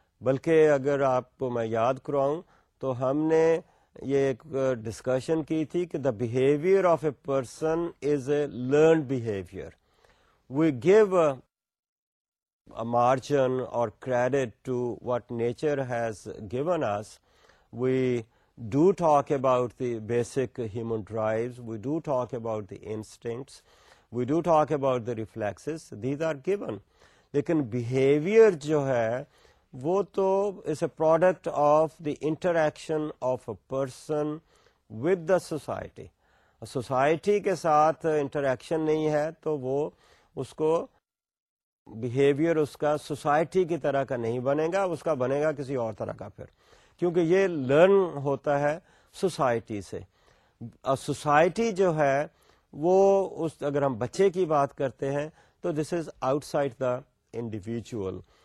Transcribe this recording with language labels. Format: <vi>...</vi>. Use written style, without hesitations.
<ur>بلکہ اگر آپ کو میں یاد کراؤں تو ہم نے یہ ایک ڈسکشن کی تھی کہ</ur> <en>The behaviour of a person is a learned behaviour. We gave a margin اور credit to what nature has given us. We do talk about the basic human drives, we do talk about the instincts, we do talk about the reflexes, these are given.</en> <ur>لیکن behaviour جو ہے وہ تو</ur> <en>Is a product of the interaction of a person with the society.</en> <ur>Society کے ساتھ interaction نہیں ہے تو وہ اس کو بیہیویئر اس کا سوسائٹی کی طرح کا نہیں بنے گا, اس کا بنے گا کسی اور طرح کا پھر, کیونکہ یہ لرن ہوتا ہے سوسائٹی سے. سوسائٹی جو ہے وہ اس, اگر ہم بچے کی بات کرتے ہیں تو</ur> <en>This is outside the individual.</en>